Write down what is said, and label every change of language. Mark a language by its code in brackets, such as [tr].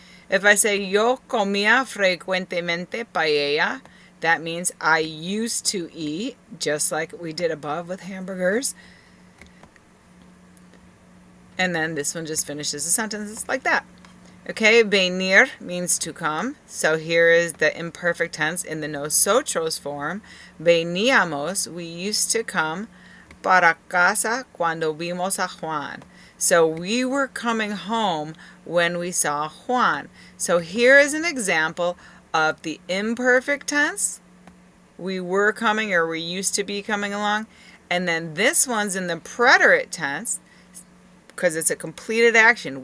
[en] If I say [es] yo comía frecuentemente paella, [en] that means I used to eat, just like we did above with hamburgers. And then this one just finishes the sentence like that. Okay, venir means to come. So here is the imperfect tense in the nosotros form. [es] Veníamos, [en] we used to come, [es] para casa cuando vimos a Juan. [en] So we were coming home when we saw Juan. So here is an example of the imperfect tense. We were coming, or we used to be coming along. And then this one's in the preterite tense because it's a completed action.